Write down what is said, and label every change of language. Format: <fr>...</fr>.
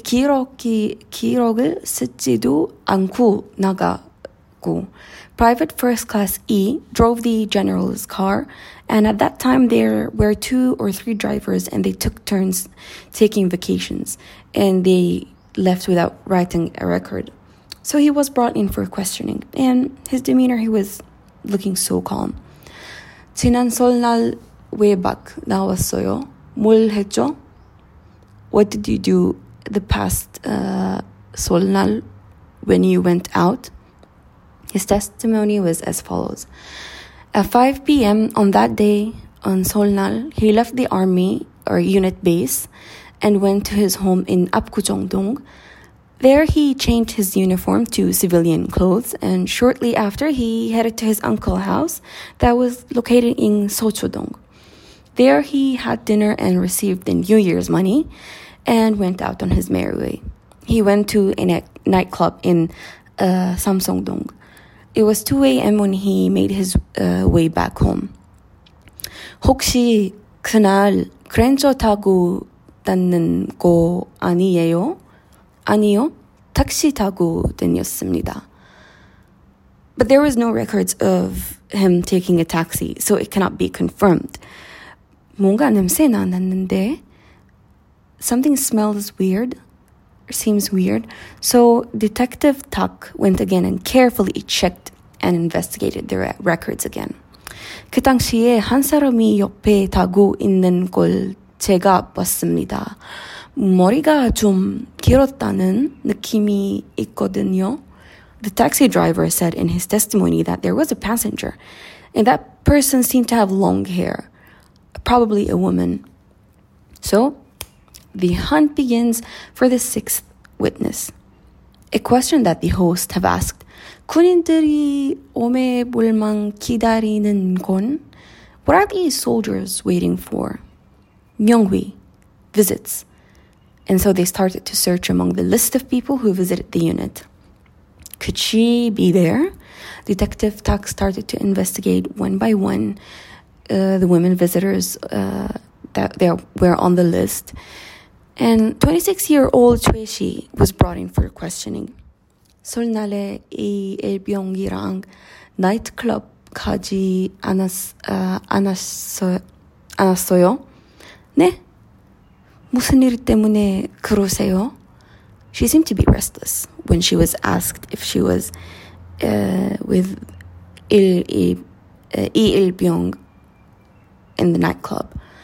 <ko>기록을 쓰지도 않고 나가고.</ko> <en>Private First Class E drove the general's car, and at that time there were two or three drivers and they took turns taking vacations, and they left without writing a record. So he was brought in for questioning, and his demeanor, he was looking so calm.</en> <ko>지난 설날 외박 나왔어요. 뭘 했죠?</ko> <en>What did you do the past solnal when you went out? His testimony was as follows. At 5 p.m. on that day, on solnal, he left the army or unit base and went to his home in Apgujeongdong. There he changed his uniform to civilian clothes, and shortly after he headed to his uncle's house that was located in Sochodong. There he had dinner and received the New Year's money and went out on his merry way. He went to a nightclub in Samseongdong. It was 2 a.m. when he made his way back home.</en> <ko>혹시 그날 그랜저 타고 닿는 거 아니에요? 아니요. 택시 타고 다녔습니다.</ko> <en>But there was no records of him taking a taxi, so it cannot be confirmed.</en> <ko>뭔가 냄새나 났는데?</ko> <en>Something smells weird, or seems weird. So Detective Tuck went again and carefully checked and investigated the records again.</en> <ko>그 당시에 한 사람이 옆에 타고 있는 걸 제가 봤습니다. 머리가 좀 길었다는 느낌이 있거든요.</ko> <en>The taxi driver said in his testimony that there was a passenger, and that person seemed to have long hair, probably a woman. So, the hunt begins for the sixth witness. A question that the host have asked,</en> <ko>군인들이 오메 볼망 기다리는 건?</ko> <en>What are these soldiers waiting for?</en> <ko>명의,</ko> <en>visits. And so they started to search among the list of people who visited the unit. Could she be there? Detective Tuck started to investigate one by one the women visitors that there were on the list. And 26-year-old Choi Shi was brought in for questioning.</en> <ko>설날에 이 일병이랑 나이트클럽 가지 않았어요? 네? 무슨 일 때문에 그러세요?</ko> <en>She seemed to be restless when she was asked if she was with Il Byung in the nightclub.</en>